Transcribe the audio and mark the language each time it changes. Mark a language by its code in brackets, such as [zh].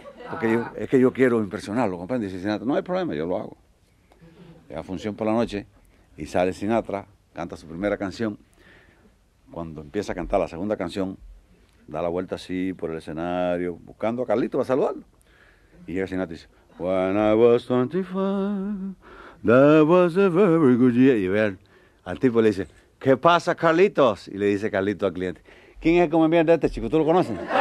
[es] Porque yo, es que yo quiero impresionarlo, ¿comprende? Dice Sinatra, no hay problema, yo lo hago. Le da función por la noche y sale Sinatra, canta su primera canción. Cuando empieza a cantar la segunda canción, da la vuelta así por el escenario, buscando a Carlito para saludarlo. Y llega Sinatra y dice, [en] when I was 25, that was a very good year. [es] Y ver, al tipo le dice, ¿qué pasa, Carlitos? Y le dice Carlito al cliente, ¿quién es el comediante de este chico? ¿Tú lo conoces?